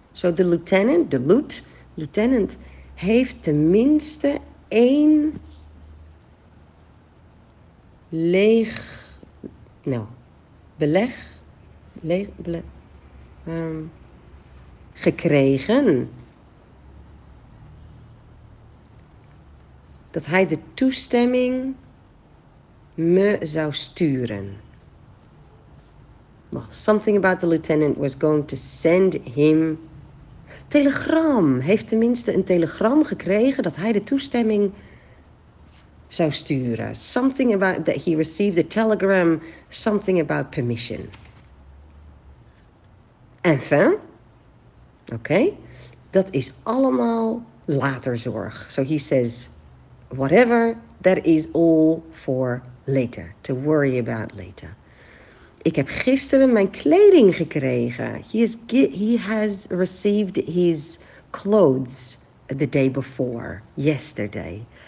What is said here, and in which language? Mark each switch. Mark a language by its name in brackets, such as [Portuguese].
[English] So the lieutenant, lieutenant, [Dutch] heeft tenminste één leeg, no, beleg, leeg, beleg, gekregen. Dat hij de toestemming me zou sturen. [English] Well, something about the lieutenant was going to send him telegram. [Dutch] Heeft tenminste een telegram gekregen dat hij de toestemming zou sturen. [English] Something about that he received a telegram, something about permission. [Dutch] Enfin. Oké. Dat is allemaal later zorg. [English] So he says, whatever, that is all for later. To worry about later. [Dutch] Ik heb gisteren mijn kleding gekregen. [English] He has received his clothes the day before, yesterday.